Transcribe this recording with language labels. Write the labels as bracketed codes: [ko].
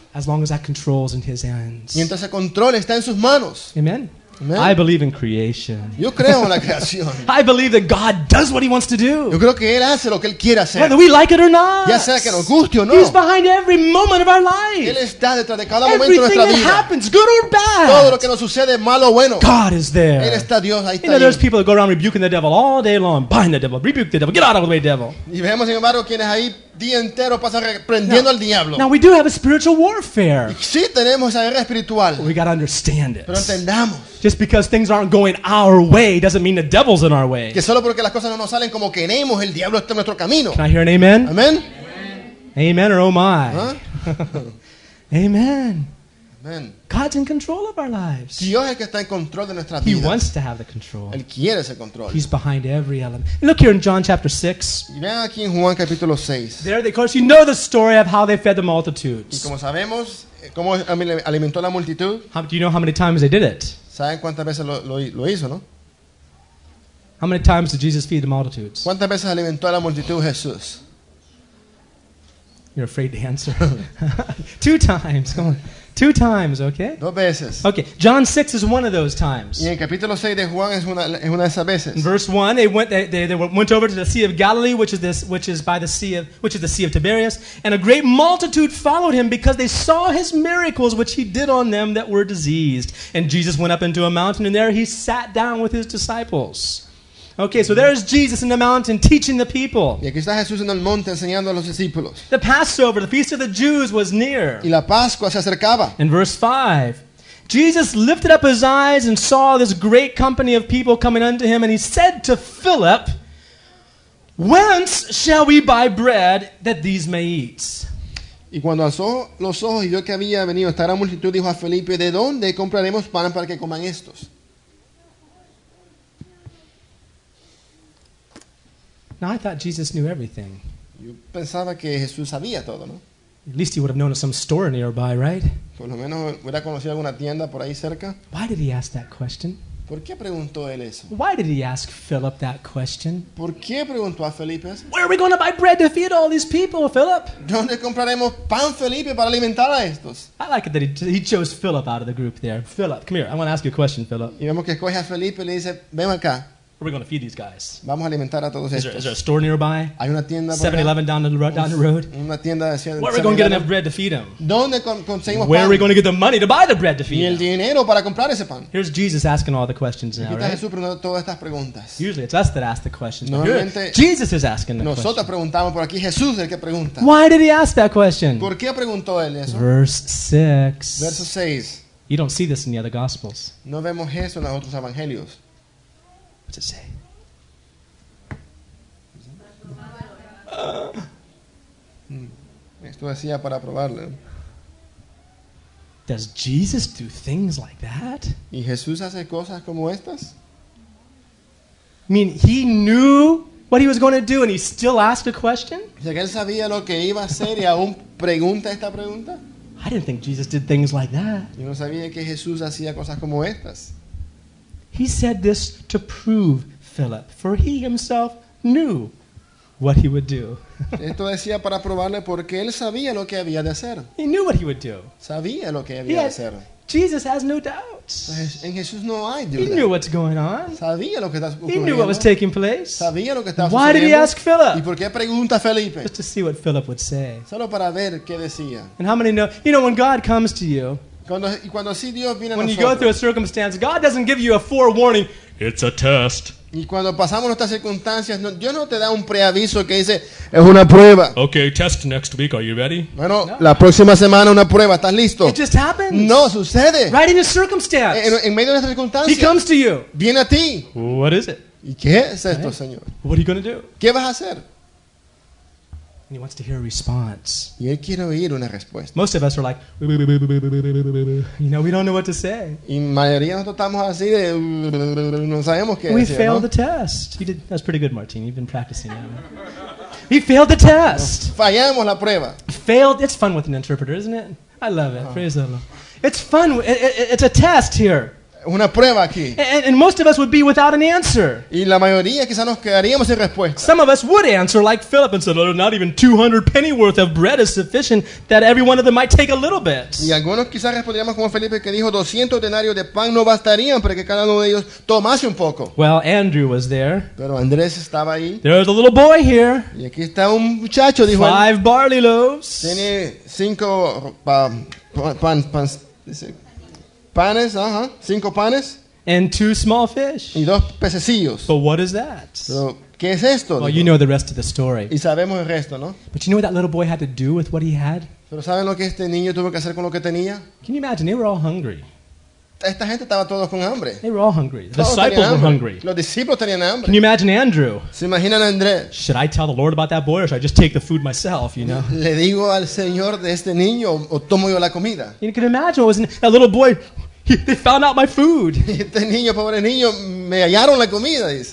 [en] As long as that control is in His hands. [es] Mientras el control está en sus manos. [en] Amen. [es] Amen. [en] I believe in creation. [es] Yo creo en la creación. [en] I believe that God does what He wants to do. [es] Yo creo que Él hace lo que Él quiere hacer. [en] Whether we like it or not. [es] Ya sea que nos guste o no. [en] He's behind every moment of our life. [es] Él está detrás de cada momento de nuestra [en] vida. Everything that happens, good or bad. [es] Todo lo que nos sucede, malo o bueno. [en] God is there. [es] Él está, Dios ahí está. [en] You know, there's people that go around rebuking the devil all day long. Bind the devil, rebuke the devil, get out of the way, devil. [es] Y vemos, sin embargo, quienes ahí día entero pasan reprendiendo al diablo. [en] Now we do have a spiritual warfare. [es] Sí, tenemos esa guerra espiritual. [en] We gotta understand it. [es] Pero entendamos. [en] Just because things aren't going our way doesn't mean the devil's in our way. [es] Que solo porque las cosas no nos salen como queremos, el diablo está en nuestro camino. [en] Can I hear an amen? [es] Amen. [en] Amen or oh my. Huh? Amen. [es] Amen. [en] God's in control of our lives. [es] Dios es el que está en control de nuestras [en] vidas. He wants to have the control. [es] Él quiere ese control. [en] He's behind every element. And look here in John chapter 6. [es] Y vean aquí en Juan capítulo 6. [en] There, of course, you know the story of how they fed the multitudes. [es] Y como sabemos, cómo alimentó la multitud. [en] Do you know how many times they did it? [es] ¿Saben cuántas veces lo hizo, no? [en] How many times did Jesus feed the multitudes? [es] ¿Cuántas veces alimentó a la multitud Jesús? [en] You're afraid to answer. Two times, come on. Two times, okay? [es] Dos veces. [en] Okay, John 6 is one of those times. [es] Y en capítulo 6 de Juan es una de esas veces. [en] In verse 1, they went over to the Sea of Galilee, which is the Sea of Tiberias, and a great multitude followed him because they saw his miracles which he did on them that were diseased. And Jesus went up into a mountain, and there he sat down with his disciples. Okay, so there's Jesus in the mountain teaching the people. [es] Y aquí está Jesús en el monte enseñando a los discípulos. [en] The Passover, the feast of the Jews, was near. [es] Y la Pascua se acercaba. [en] In verse 5, Jesus lifted up his eyes and saw this great company of people coming unto him, and he said to Philip, "Whence shall we buy bread that these may eat?" [es] Y cuando alzó los ojos y vio que había venido esta gran multitud, dijo a Felipe, "¿De dónde compraremos pan para que coman estos?" [en] Now I thought Jesus knew everything. [es] Yo pensaba que Jesús sabía todo, ¿no? [en] At least he would have known of some store nearby, right? [es] Por lo menos hubiera conocido alguna tienda por ahí cerca. [en] Why did he ask that question? [es] ¿Por qué preguntó él eso? [en] Why did he ask Philip that question? [es] ¿Por qué preguntó a Felipe eso? [en] Where are we going to buy bread to feed all these people, Philip? [es] ¿Dónde compraremos pan, Felipe, para alimentar a estos? [en] I like it that he chose Philip out of the group there. Philip, come here. I want to ask you a question, Philip. [es] Y vemos que coge a Felipe y le dice, ven acá. [en] Where are we going to feed these guys? [es] Vamos a alimentar a todos estos. [en] Is there a store nearby? [es] Hay una tienda. [en] 7-Eleven down the road. [es] Una tienda de 7-Eleven. [en] Where are we going to get enough bread to feed them? [es] ¿Dónde conseguimos [en] Where [es] pan? [en] Are we going to get the money to buy the bread to feed [es] ¿Y el [en] them? [es] Dinero para comprar ese pan? [en] Here's Jesus asking all the questions [es] aquí [en] now, [es] está [en] right? [es] Jesús preguntando todas estas preguntas. [en] Usually it's us that ask the questions. [es] Normalmente, [en] Jesus is asking the [es] nosotros [en] question. [es] Preguntamos por aquí, Jesús es el que pregunta. [en] Why did he ask that question? [es] ¿Por qué preguntó él eso? Verso 6. [en] You don't see this in the other Gospels. [es] No vemos eso en los otros evangelios. [en] To say. [es] Esto decía para probarlo. [en] Does Jesus do things like that? [es] ¿Y Jesús hace cosas como estas? [en] I mean, he knew what he was going to do and he still asked a question? [es] O sea, que él sabía lo que iba a hacer y aún pregunta esta pregunta. [en] I didn't think Jesus did things like that. [es] Yo no sabía que Jesús hacía cosas como estas. [en] He said this to prove Philip, for he himself knew what he would do. [es] Esto decía para probarle porque él sabía lo que había de hacer. [en] He knew what he would do. [es] Sabía lo que había de hacer. [en] Jesus has no doubts. [es] En Jesús no hay duda. [en] He knew what's going on. [es] Sabía lo que estaba ocurriendo. [en] He knew what was taking place. [es] Sabía lo que estaba [en] sucediendo. Why did he ask Philip? [es] ¿Y por qué pregunta Felipe? [en] Just to see what Philip would say. [es] Solo para ver qué decía. [en] And how many know? You know, when God comes to you. [es] Cuando sí Dios viene a [en] when you [es] nosotros. [en] Go through a circumstance, God doesn't give you a forewarning. It's a test. [es] Y cuando pasamos nuestras circunstancias, no, Dios no te da un preaviso que dice es una prueba. [en] Okay, test next week. Are you ready? [es] Bueno, no. La próxima semana una prueba. ¿Estás listo? [en] It just happens. [es] No sucede. [en] Right in a circumstance. [es] En medio de nuestras circunstancias. [en] He comes to you. [es] Viene a ti. [en] What is it? [es] ¿Y qué es esto, right? Señor? [en] What are you going to do? [es] ¿Qué vas a hacer? [en] He wants to hear a response. [es] Y él quiere oír una respuesta. [en] Most of us are like, you know, we don't know what to say. [es] Y mayoría nosotros estamos así de, no sabemos qué decir. [en] We failed the test. You did. That's pretty good, Martín. You've been practicing that. We failed the test. [es] Fallamos la prueba. [en] Failed. It's fun with an interpreter, isn't it? I love it. Praise the Lord. It's fun. It's a test here. [es] Una prueba aquí. [en] And most of us would be without an answer. [es] Y la mayoría quizá nos quedaríamos sin respuesta. [en] Some of us would answer like Philip and said, oh, not even 200 penny worth of bread is sufficient that every one of them might take a little bit. [es] Y algunos quizá respondríamos como Felipe que dijo 200 denarios de pan no bastarían para que cada uno de ellos tomase un poco. [en] Well, Andrew was there. [es] Pero Andrés estaba ahí. [en] There's a little boy here. [es] Y aquí está un muchacho, dijo [en] Five [es] él. [en] Barley loaves. [es] Tiene cinco panes, cinco panes. [en] And two small fish. [es] Y dos pececillos. [en] But what is that? [es] Pero, ¿qué es esto? [en] Well, you know the rest of the story. [es] Y sabemos el resto, ¿no? [en] But you know what that little boy had to do with what he had? [es] ¿Pero saben lo que este niño tuvo que hacer con lo que tenía? [en] Can you imagine? They were all hungry. [es] Esta gente estaba todos con hambre. [en] They were all hungry. The disciples were hungry. [es] Los discípulos tenían hambre. [en] Can you imagine Andrew? [es] ¿Se imaginan a Andrés? [en] Should I tell the Lord about that boy or should I just take the food myself, you know? [es] ¿Le digo al Señor de este niño o tomo yo la comida? [en] You can imagine, wasn't it? That little boy... They found out my food. [es] Este niño, pobre niño, me hallaron la comida, dice.